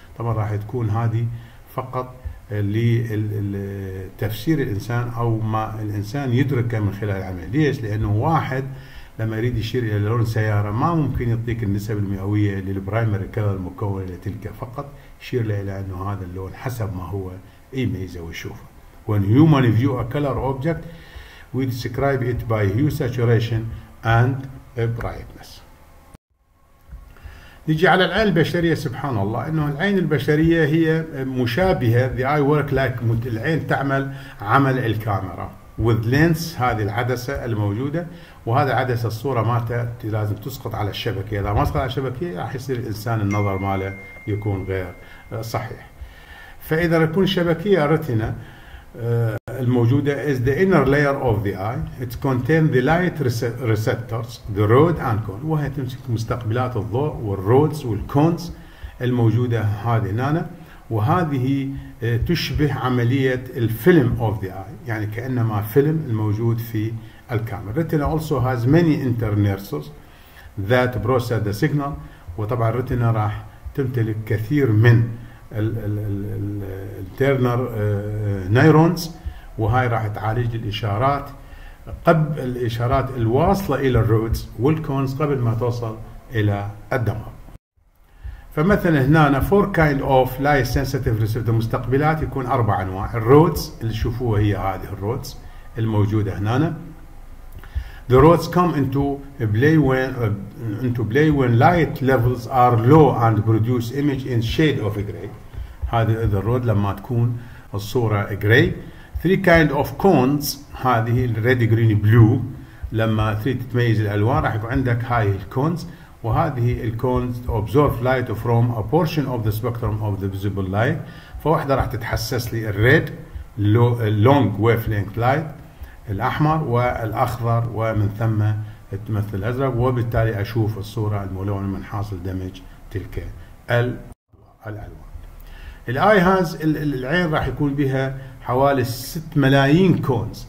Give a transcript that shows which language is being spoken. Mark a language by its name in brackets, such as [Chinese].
[Arabic] طبعا راح تكون هذه فقط لتفسير الانسان او ما الانسان يدركه من خلال العمل. ليش؟ لانه واحد لما يريد يشير الى لون سيارة ما ممكن يعطيك النسب المئوية للبرايمري كلر المكون لتلك، فقط يشير له الى انه هذا اللون حسب ما هو يميزه ويشوفه. [English] When human view a color object, we describe it by hue, saturation, and brightness. [Arabic] نجي على العين البشرية. سبحان الله إنه العين البشرية هي مشابهة. [English] The eye work like [Arabic] العين تعمل عمل الكاميرا. [English] With lens [Arabic] هذه العدسة الموجودة، وهذا عدسة الصورة مالته لازم تسقط على الشبكة. إذا ما سقط على الشبكة راح يصير الإنسان النظر ماله يكون غير صحيح. فإذا تكون شبكية رتنا الموجودة [English] is the inner layer of the eye. It contains the light receptors, the rod and cone. [Arabic] وهي تمسك مستقبلات الضوء والرودز والكونز الموجودة هذه نانا. وهذه تشبه عملية الفيلم [English] of the eye. [Arabic] يعني كأنما فيلم الموجود في الكاميرا. [English] Retina also has many internerves that process the signal. [Arabic] وطبعا الرتنا راح تمتلك كثير من الترنر نيرونز، وهاي راح تعالج الإشارات قبل الإشارات الواصلة إلى الرودز والكونز قبل ما توصل إلى الدماغ. فمثلا هنا [English] four kind of light sensitive receptor [Arabic] مستقبلات يكون أربع أنواع. الرودز اللي شوفوها هي هذه الرودز الموجودة هنا. [English] The rods come into play when light levels are low and produce image in shade of gray. [Arabic] هذه [English] the rod [Arabic] لما تكون الصورة gray. [English] Three kind of cones هذه red, green, blue. [Arabic] لما تريد تتميز الألوان راح يكون عندك هاي cones. [English] وهذه cones absorb light from a portion of the spectrum of the visible light. [Arabic] فواحدة راح تتحسس لي [English] red long wavelength light. [Arabic] الأحمر والأخضر ومن ثم تمثل الأزرق، وبالتالي أشوف الصورة الملونة من حاصل دمج تلك الألوان. [English] الآي هاز [Arabic] العين راح يكون بها حوالي 6 ملايين كونز.